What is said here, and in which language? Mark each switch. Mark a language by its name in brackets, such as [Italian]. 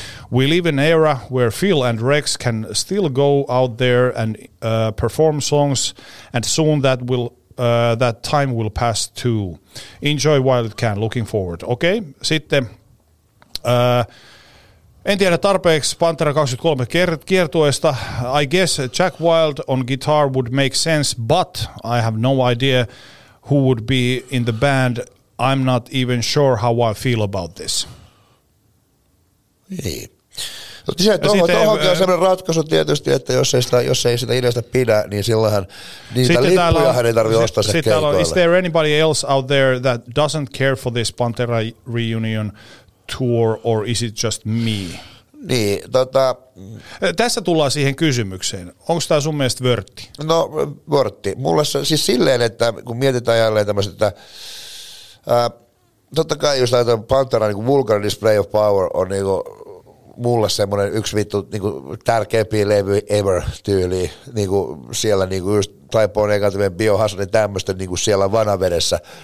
[English] We live in an era where Phil and Rex can still go out there and perform songs, and soon that will that time will pass too. Enjoy while it can. Looking forward. [Finnish] Okay, sitten en tiedä tarpeeksi Pantera 23 kiertueesta. [English] I guess Jack Wild on guitar would make sense, but I have no idea who would be in the band. I'm not even sure how I feel about this. [Finnish] Niin. No, tuohon on sellainen ratkaisu tietysti, että jos ei sitä ideasta pidä, niin silloinhan niitä lippujahan ei tarvitse ostaa se keikoille. [English] Is there anybody else out there that doesn't care for this Pantera reunion tour, or is it just me? [Finnish] Niin, tässä tullaan siihen kysymykseen. Onko tämä sun mielestä vörtti? No, vörtti. Mulle se siis silleen, että kun mietitään jälleen tämmöistä, että totta kai just ajatellaan Pantera, niin kuin Vulgar Display of Power on niin kuin mulle semmoinen yksi vittu niin kuin tärkeämpiä levy ever tyyli, niin kuin siellä niin kuin just Type O Negative, Biohazard ja tämmöistä niin kuin siellä vanavedessä.